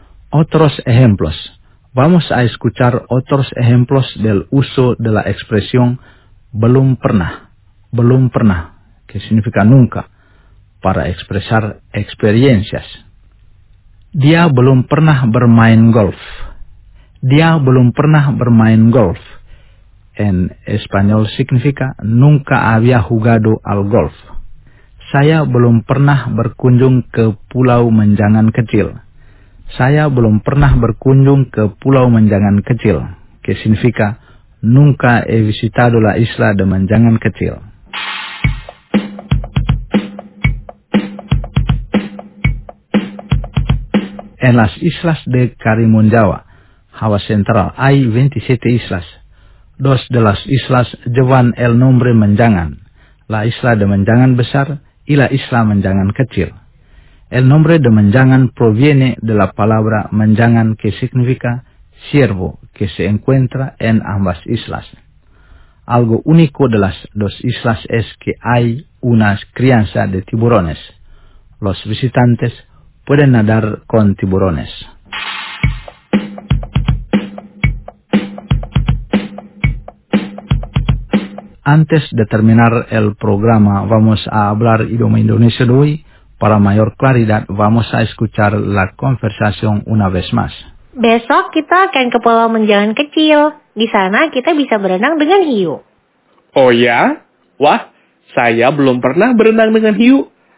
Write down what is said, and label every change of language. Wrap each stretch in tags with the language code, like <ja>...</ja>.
<es>Otros ejemplos. Vamos a escuchar otros ejemplos del uso de la expresión</es> <id>belum pernah, belum pernah,</id> <es>que significa nunca, para expresar experiencias.</es> <id>Dia belum pernah bermain golf. Dia belum pernah bermain golf.</id> <es>En español significa nunca había jugado al golf.</es> <id>Saya belum pernah berkunjung ke Pulau Menjangan Kecil. Saya belum pernah berkunjung ke Pulau Menjangan Kecil.</id> <es>Que significa nunca he visitado la isla de Menjangan Kecil. En las islas de Karimun Jawa, Hawa Central, hay 27 islas. Dos de las islas llevan el nombre Menjangan, la isla de Menjangan besar y la isla Menjangan kecil. El nombre de Menjangan proviene de la palabra Menjangan que significa siervo que se encuentra en ambas islas. Algo único de las dos islas es que hay una crianza de tiburones. Los visitantes pueden nadar con tiburones. Antes de terminar el programa, vamos a hablar idioma indonesio de hoy. Para mayor claridad, vamos a escuchar la conversación una vez más.</es> <id>Besok kita akan ke Pulau Menjangan kecil. Di sana kita bisa berenang dengan hiu. Oh ya? Wah, saya belum pernah berenang dengan hiu.</id>